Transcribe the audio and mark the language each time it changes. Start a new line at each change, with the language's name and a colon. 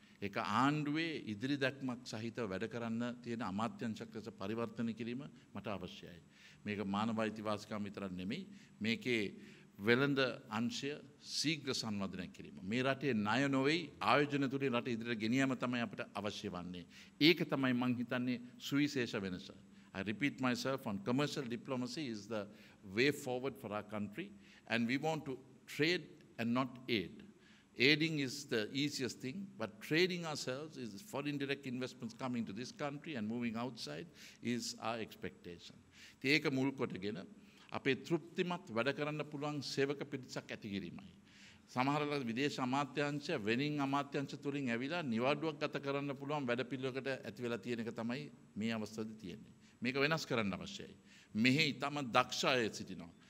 Sinhala: ඒක ආණ්ඩුවේ ඉදිරි දැක්මක් සහිතව වැඩ කරන්න තියෙන අමාත්‍යාංශයක් ලෙස පරිවර්තන කිරීම මට අවශ්‍යයි. මේක මානව අයිතිවාසිකම් විතරක් නෙමෙයි, මේකේ වෙළඳ අංශය ශීඝ්‍ර සංවර්ධනය කිරීම. මේ රටේ ණය නොවේ ආයෝජන තුලින් රට ඉදිරියට ගෙනියම තමයි අපට අවශ්‍ය වන්නේ. ඒක තමයි මං හිතන්නේ සුවිශේෂ වෙනස.
English: I repeat myself on commercial diplomacy is the way forward for our country, and we want to trade and not aid. Aiding is the easiest thing, but trading ourselves is foreign direct investments coming to this country and moving outside is our expectation.
Sinhala: ඒක මුල් කොටගෙන අපේ තෘප්තිමත් වැඩ කරන්න පුළුවන් සේවක පිරිසක් ඇති කිරීමයි. සමහර විදේශ අමාත්‍යාංශය වෙනින් අමාත්‍යාංශ තුලින් ඇවිලා නිවාඩුවක් ගත කරන්න පුළුවන් වැඩපිළිවෙකට ඇති වෙලා තියෙන එක තමයි මේ අවස්ථාවේ තියෙන්නේ. මේක වෙනස් කරන්න අවශ්‍යයි. මෙහි ඉතාම දක්ෂ අය සිටිනවා.